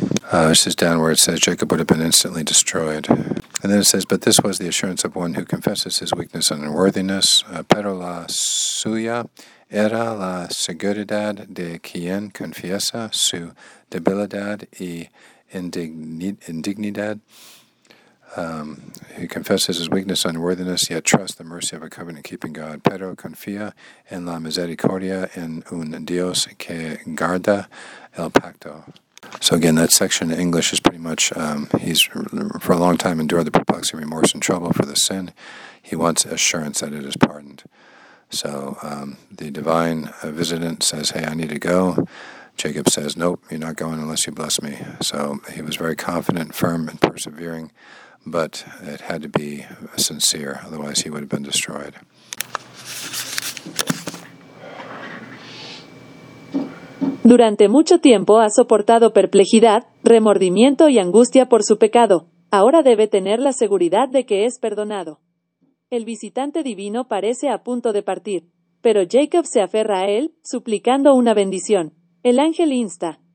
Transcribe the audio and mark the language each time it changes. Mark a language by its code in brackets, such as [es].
[en] This is down where it says Jacob would have been instantly destroyed. And then it says, but this was the assurance of one who confesses his weakness and unworthiness. [es] Pero la suya era la seguridad de quien confiesa su debilidad y indignidad. [en] He confesses his weakness and unworthiness, yet trusts the mercy of a covenant-keeping God. [es] Pero confía en la misericordia en un Dios que guarda el pacto. [en] So again, that section in English is pretty much, he's for a long time endured the perplexity, remorse, and trouble for the sin. He wants assurance that it is pardoned. So the divine visitant says, hey, I need to go. Jacob says, nope, you're not going unless you bless me. So he was very confident, firm, and persevering, but it had to be sincere, otherwise he would have been destroyed. [es] Durante mucho tiempo ha soportado perplejidad, remordimiento y angustia por su pecado. Ahora debe tener la seguridad de que es perdonado. El visitante divino parece a punto de partir, pero Jacob se aferra a él, suplicando una bendición. El ángel insta,